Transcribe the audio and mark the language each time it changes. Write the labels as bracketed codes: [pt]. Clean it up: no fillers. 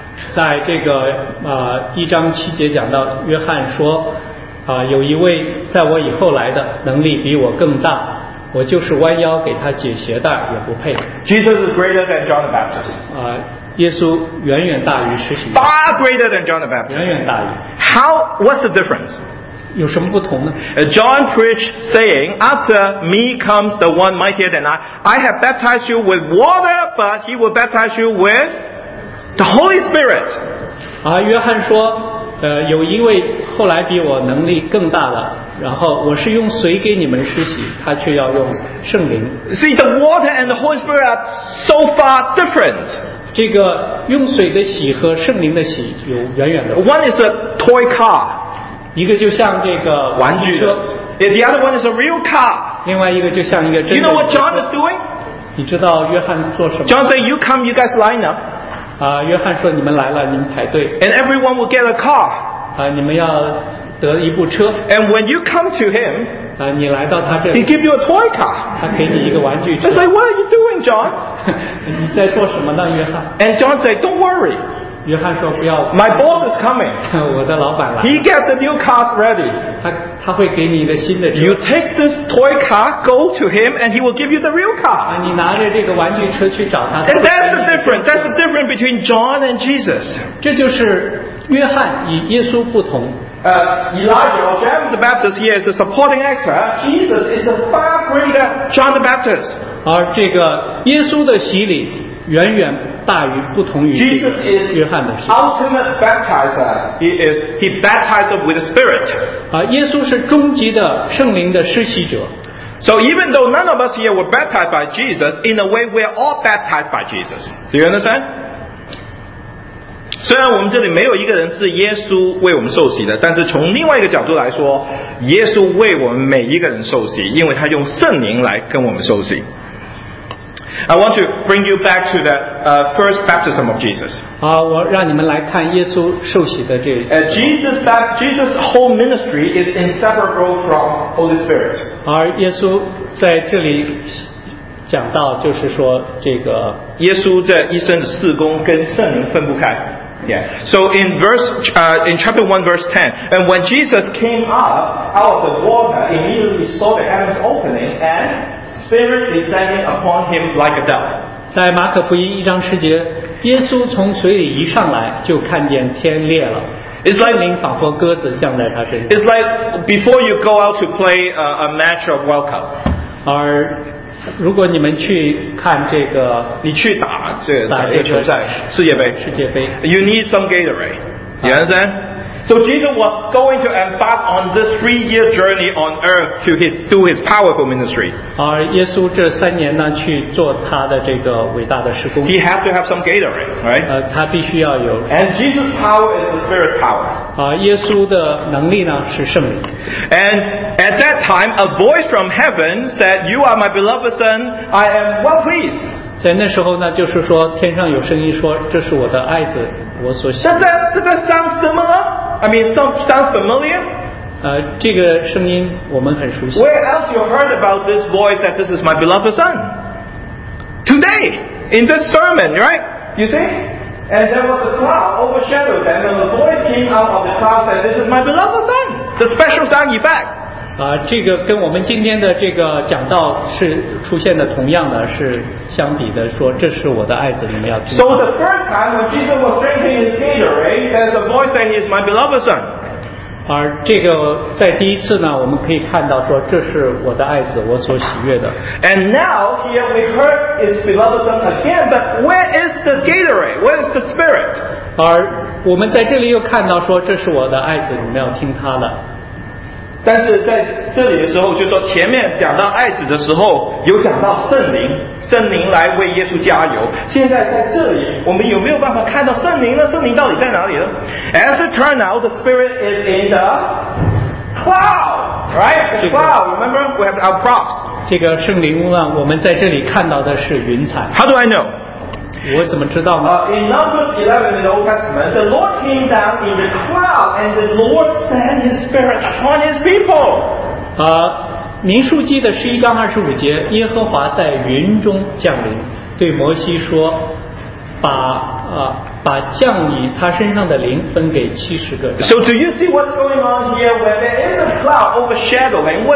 [zh] 在这个一章七节讲到约翰说有一位在我以后来的能力比我更大我就是弯腰给他解鞋带也不配 [en] Jesus is greater than John the Baptist. [zh] 耶稣远远大于施洗约翰 [en] Far greater than John the Baptist. [zh] 远远大于 [en] How, what's the difference? [zh] 有什么不同呢 [en] John preached saying, After me comes the one mightier than I have baptized you with water, but he will baptize you with the Holy Spirit. [zh] 约翰说，有一位后来比我能力更大了，然后我是用水给你们施洗，他却要用圣灵。 [en] See, the water and the Holy Spirit are so far different. [zh] 这个用水的洗和圣灵的洗有远远的。 [en] One is a toy car. [zh] 一个就像这个玩具车 [en] The other one is a real car [zh] 另外一个就像一个真的 [en] You know what John is doing? [zh] 你知道约翰做什么？ [en] John said, "You come, you guys line up." [zh] 啊，约翰说你们来了，你们排队。 [en] And everyone will get a car. [zh] 啊，你们要得一部车。 [en] And when you come to him. [zh] 啊，你来到他这里。 [en] He give you a toy car. [zh] 他给你一个玩具车。 [en] I say, "What are you doing, John?" [zh] 你在做什么呢，约翰？ [en] And John said, "Don't worry." [zh] 约翰说不要。 [en] My boss is coming. [zh] 我的老板来。 [en] He gets the new cars ready. [zh] 他会给你一个新的车。 [en] You take this toy car, go to him, and he will give you the real car. [zh] 啊，你拿着这个玩具车去找他。 [en] And that's the difference. That's the difference between John and Jesus. [zh] 这就是约翰与耶稣不同。 [en] Elijah or John the Baptist here is the supporting actor. Jesus is the far greater John the Baptist. [zh] 而这个耶稣的洗礼远远大于不同于约翰的洗礼。 [en] Jesus is ultimate baptizer. He baptizes with the Spirit. [zh] 耶稣是终极的圣灵的施洗者。 [en] So even though none of us here were baptized by Jesus, in a way we are all baptized by Jesus. Do you understand? [zh] 虽然我们这里没有一个人是耶稣为我们受洗的，但是从另外一个角度来说，耶稣为我们每一个人受洗，因为他用圣灵来跟我们受洗。 [en] I want to bring you back to the first baptism of Jesus. [zh] 好，我让你们来看耶稣受洗的这。 [en] Jesus' whole ministry is inseparable from Holy Spirit. [zh] 而耶稣在这里讲到，就是说这个耶稣这一生的事工跟圣灵分不开。 [en] Yeah. So in in chapter 1 verse 10, and when Jesus came up out of the water, immediately saw the heavens opening and Spirit descending upon him like a dove. [zh] 在马可福音一章十节，耶稣从水里一上来就看见天裂了。 [en] It's like before you go out to play a match of welcome. [zh] 而如果你们去看这个，你去打这个打这个球赛，世界杯，世界杯 [en] ，You need some Gatorade, you understand? So Jesus was going to embark on this three-year journey on earth to do his powerful ministry. [zh] 而耶稣这三年呢，去做他的这个伟大的事工。 [en] He had to have some Gatorade, right? [zh] 他必须要有。 [en] And Jesus' power is the Spirit's power. [zh] 耶稣的能力呢是圣灵。 [en] And at that time, a voice from heaven said, "You are my beloved son. I am well pleased." [zh] 在那时候呢，就是说天上有声音说，这是我的爱子，我所喜。 [en] Does that sound similar? I mean, sound familiar? [zh] 这个声音我们很熟悉。 [en] Where else you heard about this voice that this is my beloved son? Today, in this sermon, right? You see? And there was a cloud overshadowed them, and the voice came out of the cloud and said, "This is my beloved son." The special sound effect. [zh] 这个跟我们今天的这个讲道是出现的同样的，是相比的说，这是我的爱子，你们要听。 [en] So the first time when Jesus was drinking his Gatorade, there's a voice saying, "He's my beloved son." [zh] 而这个在第一次呢，我们可以看到说，这是我的爱子，我所喜悦的。 [en] And now here we heard his beloved son again, but where is the Gatorade? Where is the Spirit? [zh] 而我们在这里又看到说，这是我的爱子，你们要听他的。但是在这里的时候，就说前面讲到爱子的时候，有讲到圣灵，圣灵来为耶稣加油。现在在这里，我们有没有办法看到圣灵呢？圣灵到底在哪里呢？ [en] As it turns out, the Spirit is in the cloud, right? The cloud, remember? We have our props. [zh] 这个圣灵呢，我们在这里看到的是云彩。 [en] How do I know? [zh] 我怎么知道呢？ [en] In Numbers 11 in the Old Testament, the Lord came down in the cloud and the Lord sent his Spirit upon his people. [zh] 民数记的11章25节，耶和华在云中降临，对摩西说，把降你他身上的灵分给70个。 [en] So do you see what's going on here when there is a cloud overshadowing?